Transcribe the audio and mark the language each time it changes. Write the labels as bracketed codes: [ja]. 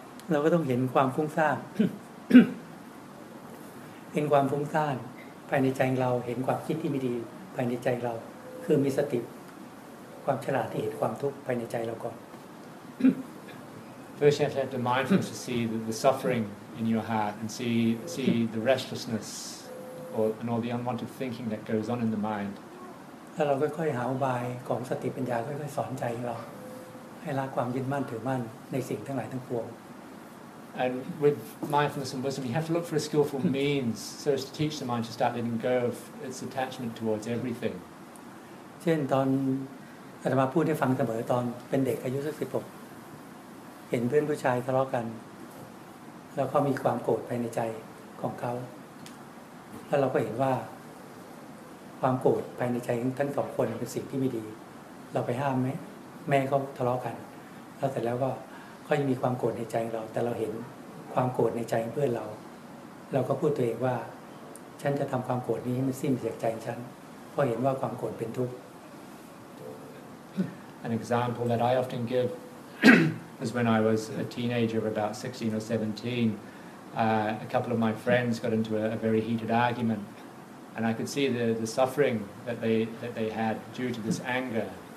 [th] เราก็ต้องเห็นความฟุ้งซ่านเห็นความฟุ้งซ่านภายในใจเราเห็นความคิดที่ไม่ดีภายในใจเราคือมีสติความฉลาดที่เห็นความทุกข์ภายในใจเราก่อน [en] First you have to have the mindfulness to see the suffering in your heart and see the restlessness and all the unwanted thinking that goes on in the mind [th] แล้วเราค่อยๆหาอุบายของสติปัญญาค่อยๆสอนใจเราให้ละความยึดมั่นถือมั่นในสิ่งทั้งหลายทั้งปวง [en] And with mindfulness and wisdom, you have to look for a skillful means so as to teach the mind to start letting go of its attachment towards everything. [th] เช่นตอนอาตมาพูดให้ฟังเสมอตอนเป็นเด็กอายุสัก16เห็นเพื่อนผู้ชายทะเลาะกันแล้วก็มีความโกรธภายในใจของเขาแล้วเราก็เห็นว่า ความโกรธภายในใจของท่านสองคนเป็นสิ่งที่ไม่ดีเราไปห้ามไหมแม่ก็ทะเลาะกันแล้วเสร็จแล้วก็ยังมีความโกรธในใจของเราแต่เราเห็นความโกรธในใจของเพื่อนเราก็พูดตัวเองว่าฉันจะทำความโกรธนี้ให้มันสิ้นจากใจฉันเพราะเห็นว่าความโกรธเป็นทุกข์ [en] An example that I often give is when I was a teenager about 16 or 17 a couple of my friends got into a very heated argumentAnd I could see the suffering that they had due to this anger.